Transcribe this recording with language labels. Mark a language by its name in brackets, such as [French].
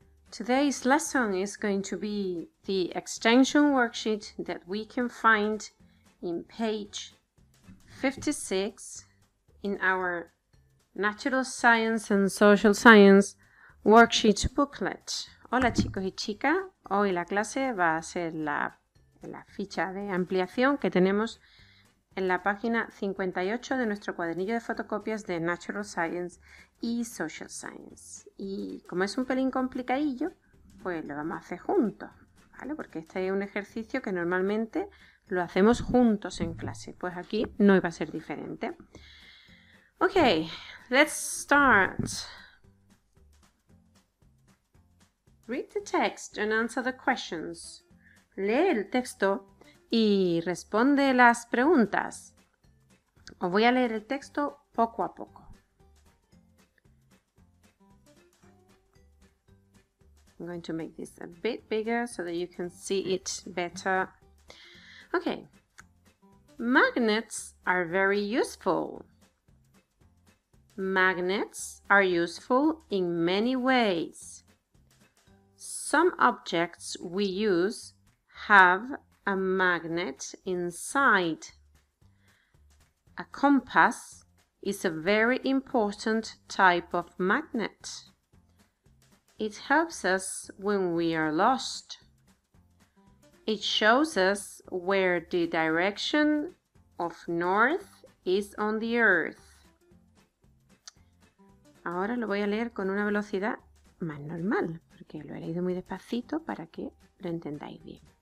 [English] Today's lesson is going to be the extension worksheet that we can find in page 56 in our Natural Science and Social Science worksheet booklet. [Spanish] Hola, chicos y chicas. Hoy la clase va a ser la ficha de ampliación que tenemos en la página 58 de nuestro cuadernillo de fotocopias de Natural Science y Social Science. Y como es un pelín complicadillo, pues lo vamos a hacer juntos, ¿vale? Porque este es un ejercicio que normalmente lo hacemos juntos en clase. Pues aquí no iba a ser diferente. [English] Ok, let's start. [Spanish] Read the text and answer the questions. Lee el texto y responde las preguntas. Os voy a leer el texto poco a poco. [English] I'm going to make this a bit bigger so that you can see it better. Okay. Magnets are very useful. Magnets are useful in many ways. Some objects we use have a magnet inside. A compass is a very important type of magnet. It helps us when we are lost. It shows us where the direction of north is on the earth. [Spanish] Ahora lo voy a leer con una velocidad más normal, porque lo he leído muy despacito para que lo entendáis bien.